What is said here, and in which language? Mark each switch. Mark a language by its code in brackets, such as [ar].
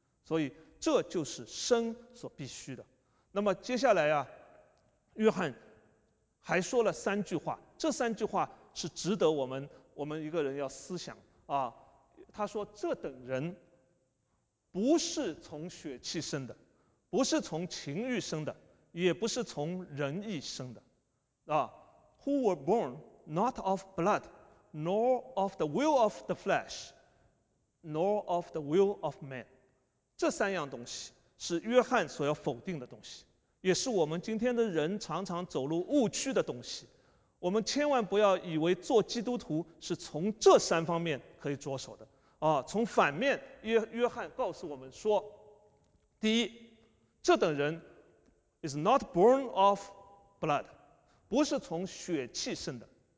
[zh] 所以这就是生所必须的。那么接下来啊，约翰还说了三句话，这三句话是值得我们一个人要思想啊。他说，这等人不是从血气生的，不是从情欲生的，也不是从人意生的啊。 [en] Who were born not of blood, nor of the will of the flesh, nor of the will of man. [zh] 这三样东西是约翰所要否定的东西，也是我们今天的人常常走入误区的东西。我们千万不要以为做基督徒是从这三方面可以着手的啊！从反面，约翰告诉我们说，第一，这等人 [en] is not born of blood， [zh] 不是从血气生的。